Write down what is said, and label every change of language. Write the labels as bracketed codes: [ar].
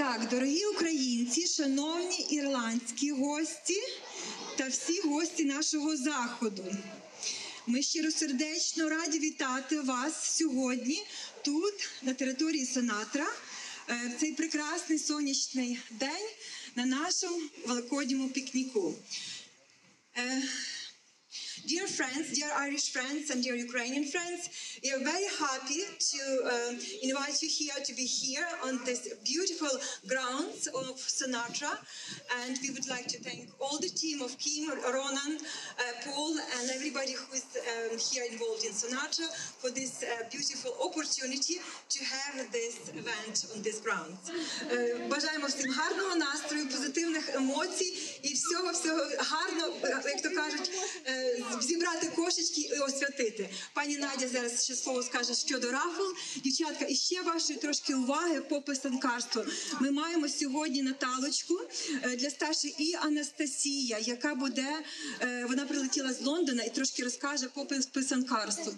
[uk] Дорогі українці, шановні ірландські гості та всі гості нашого заходу, ми щиросердечно раді вітати вас сьогодні тут, на території Сенатра, в цей прекрасний сонячний день на нашому великодньому пікніку. [en] Dear friends, dear Irish friends and dear Ukrainian friends, we are very happy to invite you here to be here on this beautiful grounds of Sinatra. And we would like to thank all the team of Kim, Ronan, Paul and everybody who is here involved in Sinatra for this beautiful opportunity to have this event on this grounds. [uk] Бажаємо всім гарного настрою, позитивних емоцій і всього-всього гарно, як то кажуть, зібрати кошечки і освятити. Пані Надя зараз ще слово скаже щодо рафл. Дівчатка, і ще вашої трошки уваги по писанкарству. Ми маємо сьогодні Наталочку для старших і Анастасія, яка буде, вона прилетіла з Лондона і трошки розкаже по писанкарству.